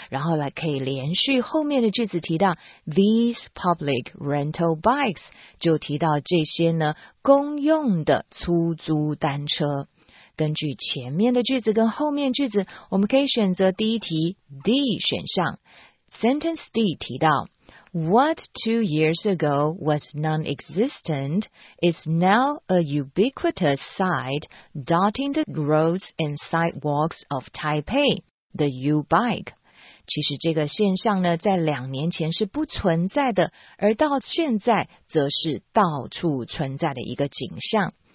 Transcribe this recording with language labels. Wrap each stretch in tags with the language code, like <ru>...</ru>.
<zh>然后来可以连续后面的句子提到</zh> <en>these public rental bikes，</en> <zh>就提到这些呢公用的出租单车。根据前面的句子跟后面句子，我们可以选择第一题 D 选项。</zh> <en>Sentence D</en> <zh>提到</zh> <en>What 2 years ago was non-existent is now a ubiquitous sight dotting the roads and sidewalks of Taipei, the U-Bike.</en> <zh>其实这个现象呢，在2年前是不存在的，而到现在则是到处存在的一个景象。</zh>